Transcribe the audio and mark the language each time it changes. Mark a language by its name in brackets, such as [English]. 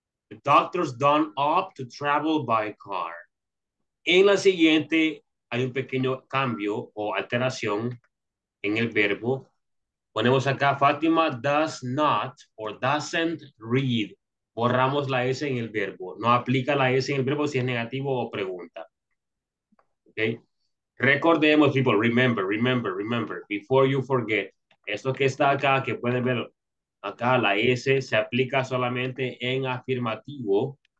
[English] The doctors don't opt to travel by car. [Spanish] En la siguiente hay un pequeño cambio o alteración en el verbo. Ponemos acá, [English] Fátima does not or doesn't read. [Spanish] Borramos la S en el verbo. No aplica la S en el verbo si es negativo o pregunta. Okay. Recordemos, [English] people, remember. Before you forget. [Spanish] Esto que está acá, que pueden ver acá, la S, se aplica solamente en afirmativo.